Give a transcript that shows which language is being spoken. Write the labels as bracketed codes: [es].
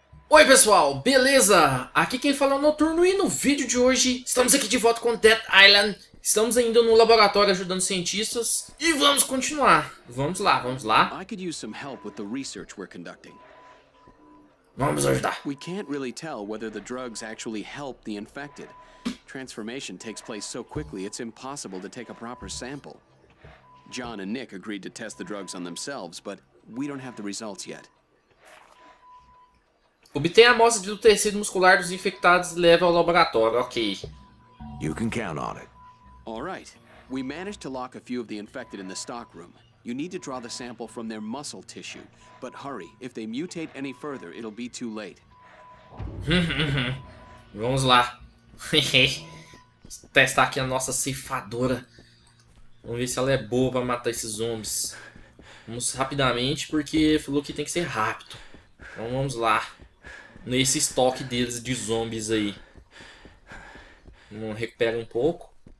[pt] Oi, pessoal! Beleza? Aqui quem fala é o Noturno e no vídeo de hoje estamos aqui de volta com Dead Island. Estamos ainda no laboratório ajudando cientistas e vamos continuar. Vamos lá, vamos lá. Eu poderia usar ajuda com a pesquisa que estamos conduzindo. Vamos ajudar. [en] We can't really tell whether the drugs actually help the infected. Transformation takes place so quickly it's impossible to take a proper sample. John and Nick agreed to test the drugs on themselves, but we don't have the results yet. [pt] Obtém a amostra do tecido muscular dos infectados e leva ao laboratório. [en] Ok. You can count on it. All right. We managed to lock a few of the infected in the stockroom. You need to draw the sample from their muscle tissue, but hurry, if they mutate any further, it'll be too late. [pt] Vamos lá. Testar aqui a nossa ceifadora. Vamos ver se ela é boa para matar esses zumbis. Vamos rapidamente, porque falou que tem que ser rápido. Então vamos lá. Nesse estoque deles de zumbis aí. Vamos recuperar um pouco.